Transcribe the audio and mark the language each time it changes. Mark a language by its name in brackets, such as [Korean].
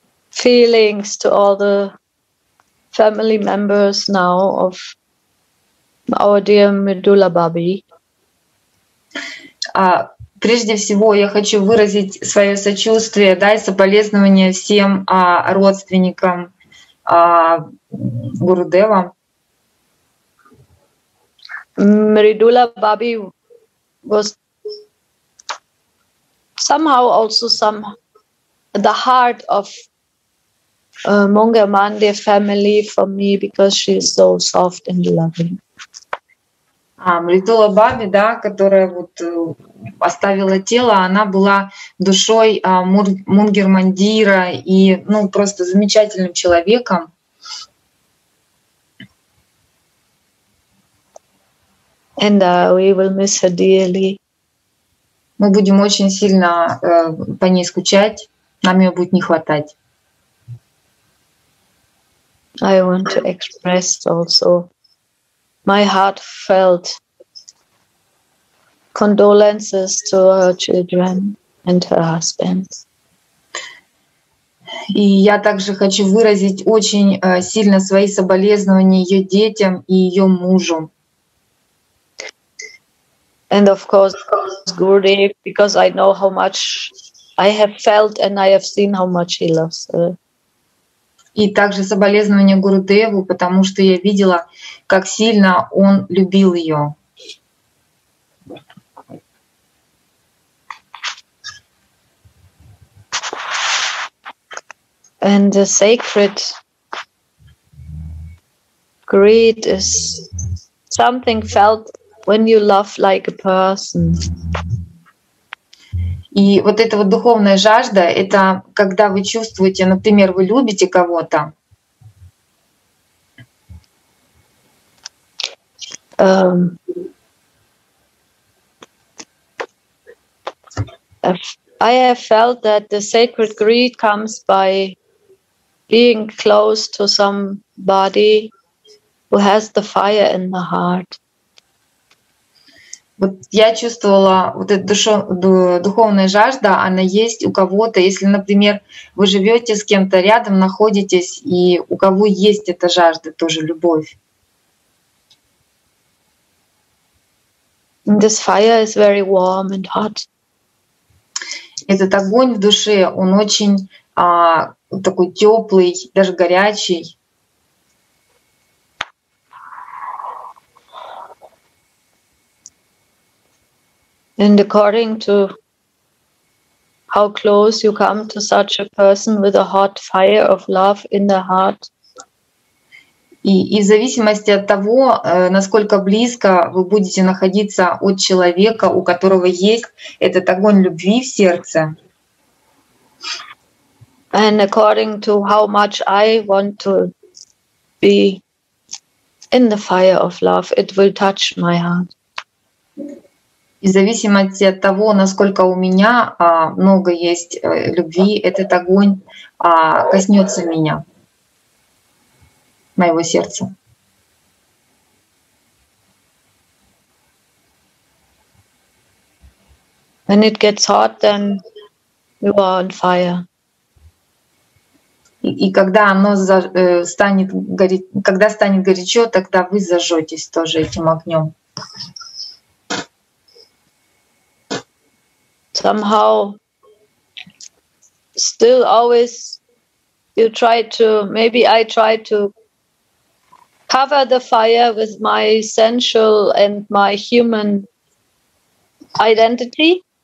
[English] feelings to all the family members now of our dear Medulla Babi. [Russian] Прежде всего, я хочу выразить свое сочувствие, да, и соболезнования всем родственникам Гурудева. [English] Medulla Babi was somehow also some the heart of Monga Mande family for me because she is so soft and loving. [Russian] Medulla Babi, да, которая вот оставила тело, она была душой Мунгер Мандира и, ну, просто замечательным человеком. [English] And we will miss her dearly. [Russian] Мы будем очень сильно по ней скучать, нам ее будет не хватать. [English] I want to express also my heartfelt condolences to her children and her husband. [Russian] И я также хочу выразить очень сильно свои соболезнования ее детям и ее мужу. [English] And of course, Gurudev, because I know how much I have felt and I have seen how much he loves her. [Russian] И также соболезнования Гурудеву, потому что я видела, как сильно он любил ее. [English] And the sacred greed is something felt when you love like a person. [Russian] И вот эта вот духовная жажда, это когда вы чувствуете, например, вы любите кого-то. [English] I have felt that the sacred greed comes by being close to somebody who has the fire in the heart. [Russian] Вот я чувствовала вот эту духовная жажда, она есть у кого-то. Если, например, вы живете с кем-то рядом, находитесь, и у кого есть эта жажда, тоже любовь. [English] This fire is very warm and hot. [Russian] Этот огонь в душе, он очень такой теплый, даже горячий. [English] And according to how close you come to such a person with a hot fire of love in the heart. [Russian] И в зависимости от того, насколько близко вы будете находиться от человека, у которого есть этот огонь любви в сердце. [English] And according to how much I want to be in the fire of love, it will touch my heart. [Russian] И в зависимости от того, насколько у меня много есть любви, этот огонь коснется меня, моего сердца. [English] When it gets hot, then you are on fire. [Russian] И когда оно станет горячо, тогда вы зажжетесь тоже этим огнем. [English] Somehow, still always you try to, maybe I try to cover the fire with my sensual and my human identity.